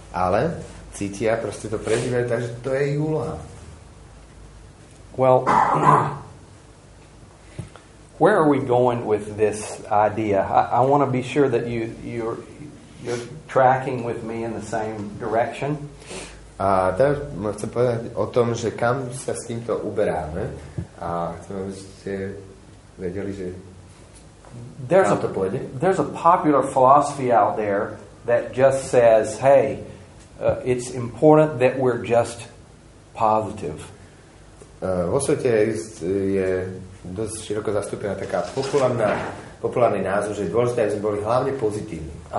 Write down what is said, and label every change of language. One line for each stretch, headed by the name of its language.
Slovak: Ale cítia, proste to prežívajú, takže to je ich úloha.
English: Well, where are we going with this idea? I want to be sure that you're tracking with me in the same direction.
Slovak: A teraz chcem povedať o tom, že kam sa s týmto uberáme. A chcem, aby ste vedeli, že
English: there's a
Slovak: pôjde.
English: There's a popular philosophy out there that just says, hey, it's important that we're just positive.
Slovak: Vo svete je dosť široko zastúpená taká populárny názor, že je dôležité, aby sme boli hlavne pozitívni.